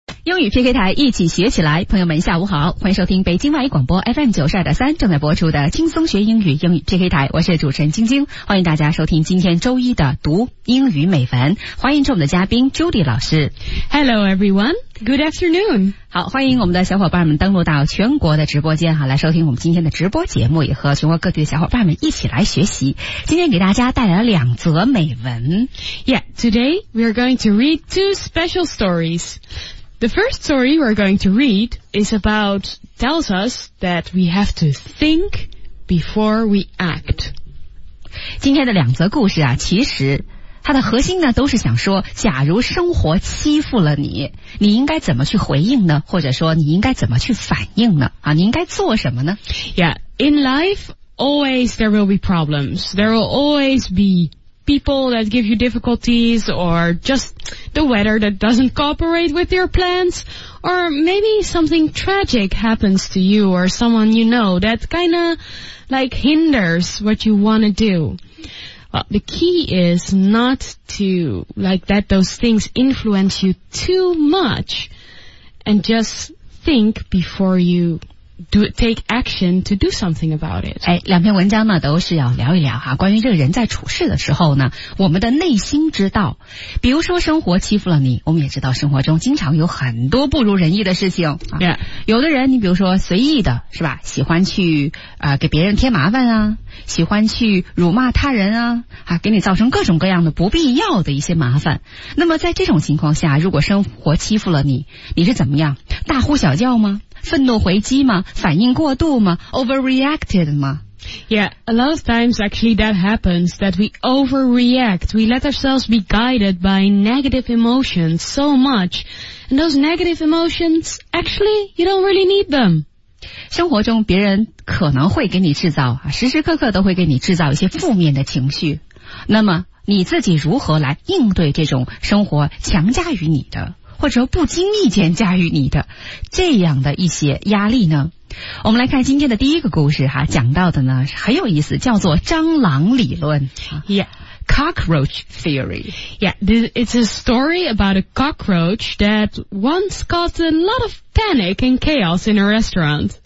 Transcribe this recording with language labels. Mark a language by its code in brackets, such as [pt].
[zh] 英语 PK 台一起学起来，朋友们下午好，欢迎收听北京外语广播 FM92.3 正在播出的轻松学英语英语 PK 台，我是主持人晶晶，欢迎大家收听今天周一的读英语美文，欢迎我们的嘉宾 Judy 老师。 [en] Hello everyone, good afternoon. [zh] 好，欢迎我们的小伙伴们登录到全国的直播间哈，来收听我们今天的直播节目，也和全国各地的小伙伴们一起来学习。今天给大家带来了两则美文。 [en] Yeah, today we are going to read two special stories. The first story we're going to read is about tells us that we have to think before we act. [zh] 今天的两则故事啊，其实它的核心呢都是想说，假如生活欺负了你，你应该怎么去回应呢？或者说你应该怎么去反应呢？啊，你应该做什么呢？ [en] Yeah, in life, always there will be problems. There will always be people that give you difficulties or justThe weather that doesn't cooperate with your plans, or maybe something tragic happens to you or someone you know that kinda like hinders what you wanna do. Well, the key is not to like let those things influence you too much and just think before youtake action to do something about it. [zh] 哎，两篇文章呢都是要聊一聊哈，关于这个人在处事的时候呢，我们的内心之道。比如说生活欺负了你，我们也知道生活中经常有很多不如人意的事情。 Yeah. 有的人你比如说随意的是吧，喜欢去给别人添麻烦啊，喜欢去辱骂他人啊，啊给你造成各种各样的不必要的一些麻烦。那么在这种情况下，如果生活欺负了你，你是怎么样？大呼小叫吗？愤怒回击吗？反应过度吗？ Overreacted 吗？ [en] Yeah, a lot of times actually that happens, that we overreact. We let ourselves be guided by negative emotions so much. And those negative emotions, actually, you don't really need them. [zh] 生活中别人可能会给你制造，时时刻刻都会给你制造一些负面的情绪。那么你自己如何来应对这种生活强加于你的？或者不经意间驾驭你的这样的一些压力呢？我们来看今天的第一个故事哈，讲到的呢很有意思，叫做蟑螂理论。 Yeah, [en] cockroach theory. Yeah, it's a story about a cockroach that once caused a lot of panic and chaos in a restaurant.